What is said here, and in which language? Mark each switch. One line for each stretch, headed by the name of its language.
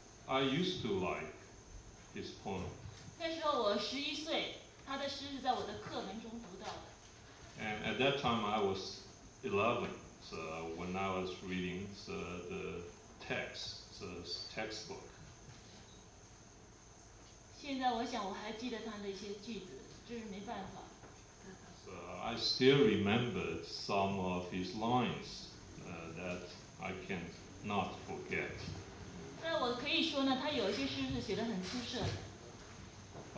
English: I used to like his poem. And at that time I was 11, so when I was reading the text, the textbook.
Chinese: 现在我想我还记得他的一些句子，这是没办法。
English: So I still remember some of his lines that I can not forget.
Chinese: 但我可以说呢，他有一些诗是写得很出色的。